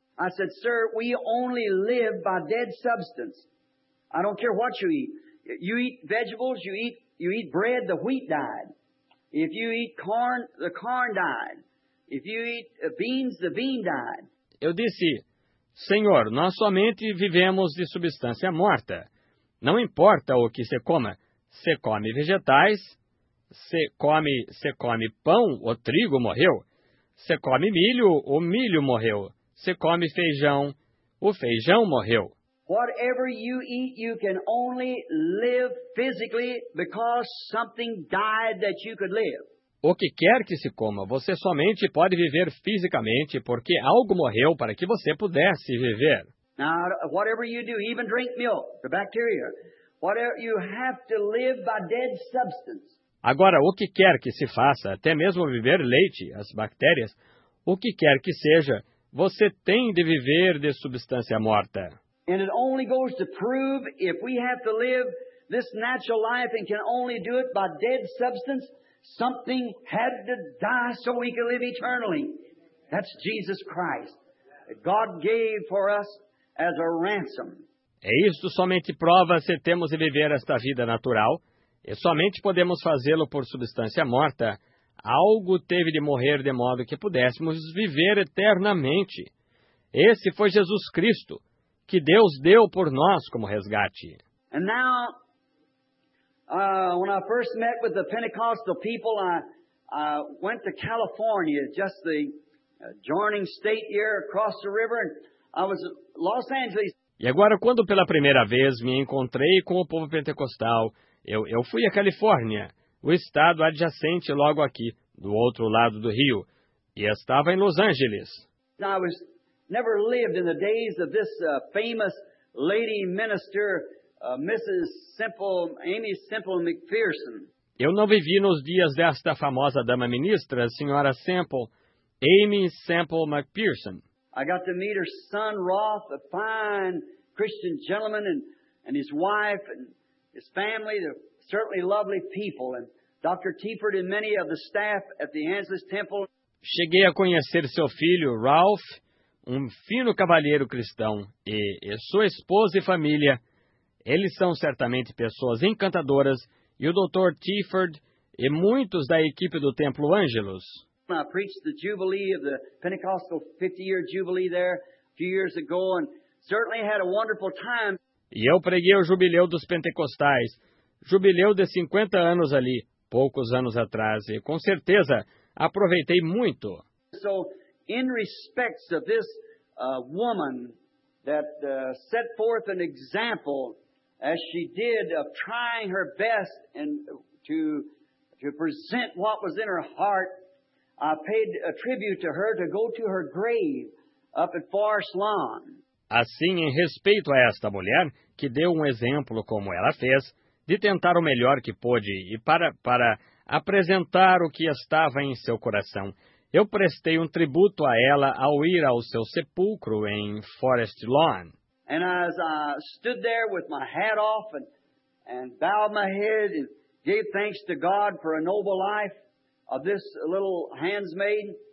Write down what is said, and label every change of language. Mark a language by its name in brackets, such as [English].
[English] I said, sir, we only live by dead substance. I don't care what you eat. You eat vegetables, you eat bread, the wheat died. If you eat corn, the corn died. If you eat beans, the bean died. [Portuguese] Eu disse, senhor, nós somente vivemos de substância morta. Não importa o que você coma. Você come vegetais, você come pão, o trigo morreu. Você come milho, o milho morreu. Você come feijão, o feijão morreu. [English] Whatever you eat, you can only live physically because something died that you could live. [Portuguese] O que quer que se coma, você somente pode viver fisicamente porque algo morreu para que você pudesse viver. [English] Now, whatever you do, even drink milk, the bacteria. Whatever you have to live by dead substance. [Portuguese] Agora, o que quer que se faça, até mesmo beber leite, as bactérias, o que quer que seja, você tem de viver de substância morta. [English] And it only goes to prove if we have to live this natural life and can only do it by dead substance, something had to die so we could live eternally. That's Jesus Christ. God gave for us as a ransom. [Portuguese] É isto somente prova se temos de viver esta vida natural, e somente podemos fazê-lo por substância morta. Algo teve de morrer de modo que pudéssemos viver eternamente. Esse foi Jesus Cristo, que Deus deu por nós como resgate. [English] And now, when I first met with the Pentecostal people, I went to California, just the adjoining state here across the river, and I was in Los Angeles. [Portuguese] E agora, quando pela primeira vez me encontrei com o povo pentecostal, eu fui à Califórnia, o estado adjacente logo aqui, do outro lado do rio, e estava em Los Angeles. [English] I was never lived in the days of this famous lady minister, Mrs. Simple, Amy Simple McPherson. [Portuguese] Eu não vivi nos dias desta famosa dama ministra, senhora Simple, Amy Simple McPherson. [English] I got to meet her son, Roth, a fine Christian gentleman, and his wife and his family. They're certainly lovely people. And Dr. Tiefert and many of the staff at the Angelus Temple. [Portuguese] Cheguei a conhecer seu filho, Ralph, um fino cavalheiro cristão, e sua esposa e família. Eles são certamente pessoas encantadoras, e o Dr. Tiefert e muitos da equipe do Templo Angelus. [English] I preached the jubilee of the Pentecostal 50-year jubilee there a few years ago, and certainly had a wonderful time. [Portuguese] E eu preguei o jubileu dos pentecostais, jubileu de 50 anos ali, poucos anos atrás, e com certeza aproveitei muito. [English] So, in respect of this woman that set forth an example, as she did, of trying her best and to present what was in her heart, I paid a tribute to her to go to her grave up at Forest Lawn. [Portuguese] Assim, em respeito a esta mulher, que deu um exemplo como ela fez, de tentar o melhor que pôde e para apresentar o que estava em seu coração, eu prestei um tributo a ela ao ir ao seu sepulcro em Forest Lawn. [English] And as I stood there with my hat off and bowed my head and gave thanks to God for a noble life, of this little handmaid.